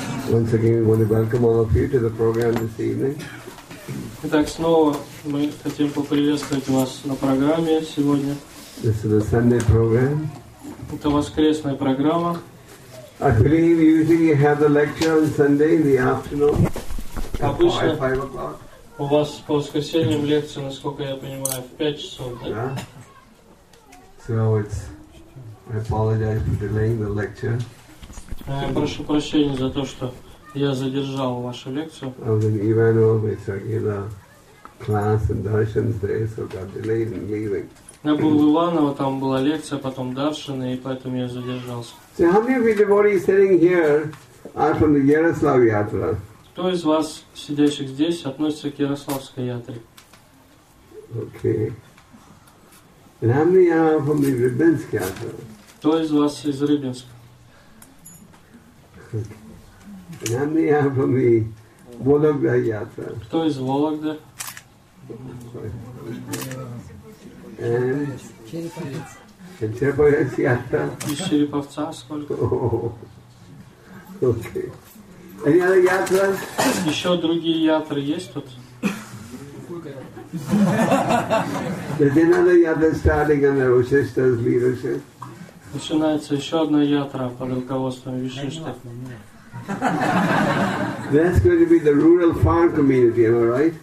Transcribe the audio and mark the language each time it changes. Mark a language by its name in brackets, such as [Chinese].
[English] Once again, we want to welcome all of you to the program this evening. [Russian] Итак, снова мы хотим поприветствовать вас на программе сегодня. [English] This is a Sunday program. [Russian] Это воскресная программа. [English] I believe usually you have the lecture on Sunday in the afternoon. [Russian] Обычно у вас по воскресеньям лекция, насколько я понимаю, в 5 часов, да? [English] So it's, I apologize for delaying the lecture. [Russian] Я прошу прощения за то, что я задержал вашу лекцию. [English] I was in Ivanov, it's a regular class and darshans there, so got delayed in leaving. [Russian] Я был в Иваново, там была лекция, потом даршины, и поэтому я задержался. [English] So how many of you devotees sitting here are from the Yaroslav Yatra? [Russian] Кто из вас, сидящих здесь, относится к Ярославской Ятре? [English] Okay. And how many are from the Rybinsk Yatra? [Russian] Кто из вас из Рыбинска? [English] And how many are from the Vologda Yatra? [Russian] Кто из Вологды? [English] And Черепанец Yatra? [Russian] Из Череповца сколько? [English] Okay. Any other Yatras? [Russian] Еще другие Ятры есть тут? [English] There's another Yatra starting under Vasishtha's leadership. [Russian] Начинается еще одна ятра под руководством Вишишты. [English] That's going to be the rural farm community, am I right?